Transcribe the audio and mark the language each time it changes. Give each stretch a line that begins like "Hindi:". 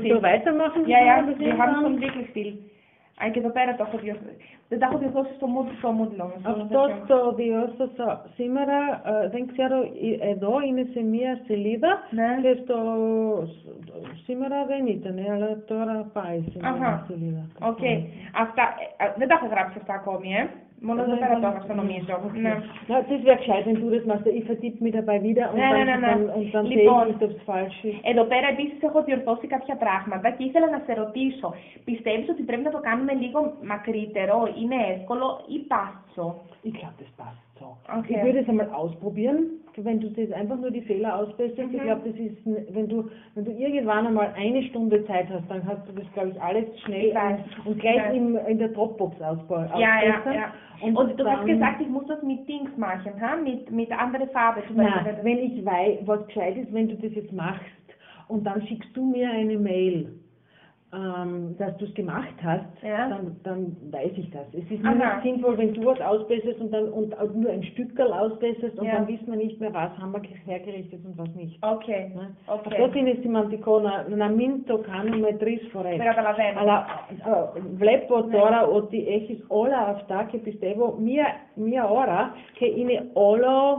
German: Wollen wir so weitermachen? Ja, ja, wir haben schon wirklich viel.
Greek: Αν και εδώ πέρα το έχω διορθώσει. Δεν τα έχω διορθώσει στο Moodle. Αυτό το διορθώσα σήμερα. Δεν ξέρω, εδώ είναι σε μία σελίδα. Ναι. Και στο... σήμερα δεν ήταν, αλλά τώρα πάει σε μία σελίδα. Okay. Αυτά, δεν τα έχω γράψει αυτά ακόμη, ε. Μόνο εδώ πέρα το έγραψα, νομίζω. Ναι.
German: Das wäre gescheit, wenn du das machst. Ich vertippe mich dabei wieder und dann sehe ich, ob es falsch ist.
Greek: Εδώ πέρα επίσης έχω διορθώσει κάποια πράγματα και ήθελα να σε ρωτήσω. Πιστεύεις ότι πρέπει να το κάνουμε λίγο μακρύτερο, είναι εύκολο ή πάστο?
German: Ich glaube, das passt so. Okay. Ich würde es einmal ausprobieren, wenn du das einfach nur die Fehler ausbessern. Ich glaube, das ist, wenn du irgendwann einmal eine Stunde Zeit hast, dann hast du das, glaube ich, alles schnell und gleich in der Dropbox ausbauen. Ja, ja, ja. Und du hast gesagt, ich muss das mit Dings machen, ha? Mit anderen Farbe. Nein, wenn ich weiß, was gescheit ist, wenn du das jetzt machst und dann schickst du mir eine Mail. Dass du es gemacht hast, dann weiß ich das. Es ist nicht sinnvoll, wenn du was ausbesserst und dann und nur ein Stückerl ausbesserst und dann wissen wir nicht mehr, was haben wir hergerichtet und was nicht. Okay.
Greek: Αυτό είναι σημαντικό, να μην το κάνουμε τρεις φορές. Καταλαβαίνω. Αλλά βλέπω τώρα ότι έχεις όλα αυτά και πιστεύω μία ώρα και είναι όλο